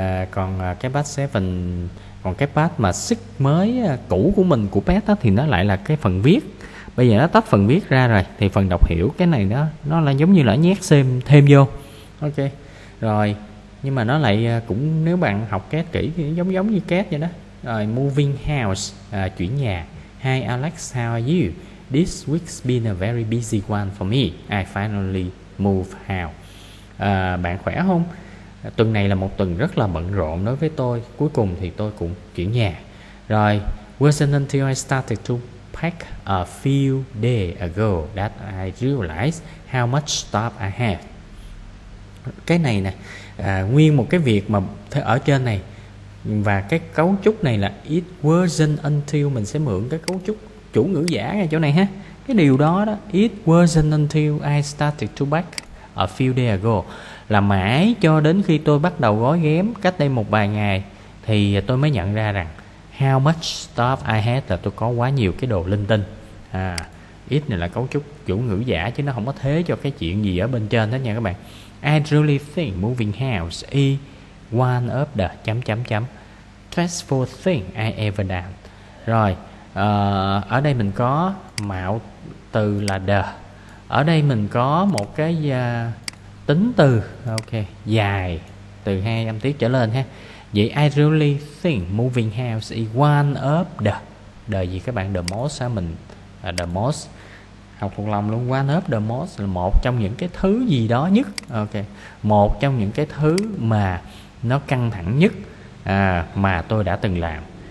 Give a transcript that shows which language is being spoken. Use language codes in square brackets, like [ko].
[vi] Còn cái part 7, còn cái part mà 6 mới cũ của mình của PET đó, thì nó lại là cái phần viết. Bây giờ nó tách phần viết ra rồi thì phần đọc hiểu cái này đó, nó là giống như là nhét thêm vô. Ok. Rồi, nhưng mà nó lại cũng, nếu bạn học CAT kỹ thì nó giống như CAT vậy đó. Rồi, [en] moving house, [vi] chuyển nhà. [en] Hi Alex, how are you? This week's been a very busy one for me. I finally moved house. [vi] Bạn khỏe không? Tuần này là một tuần rất là bận rộn đối với tôi. Cuối cùng thì tôi cũng chuyển nhà. [en] Rồi, wasn't until I started to pack a few days ago that I realized how much stuff I have. [vi] Cái này nè, nguyên một cái việc mà ở trên này, và cái cấu trúc này là [en] it wasn't until, [vi] mình sẽ mượn cái cấu trúc chủ ngữ giả ngay chỗ này ha. Cái điều đó đó, [en] it wasn't until I started to pack a few days ago, [vi] là mãi cho đến khi tôi bắt đầu gói ghém cách đây một vài ngày thì tôi mới nhận ra rằng [en] how much stuff I had, [vi] là tôi có quá nhiều cái đồ linh tinh. Ít này là cấu trúc chủ ngữ giả chứ nó không có thế cho cái chuyện gì ở bên trên hết nha các bạn. [en] I really think moving house is one of the stressful thing I ever done. [vi] Rồi, ở đây mình có mạo từ là the. Ở đây mình có một cái tính từ, ok, dài từ hai âm tiết trở lên ha. Vậy [en] I really think moving house is one of the [vi] gì các bạn, the most, mình the most, học thuộc lòng luôn, [en] one of the most [vi] là một trong những cái thứ gì đó nhất, ok, một trong những cái thứ mà nó căng thẳng nhất mà tôi đã từng làm.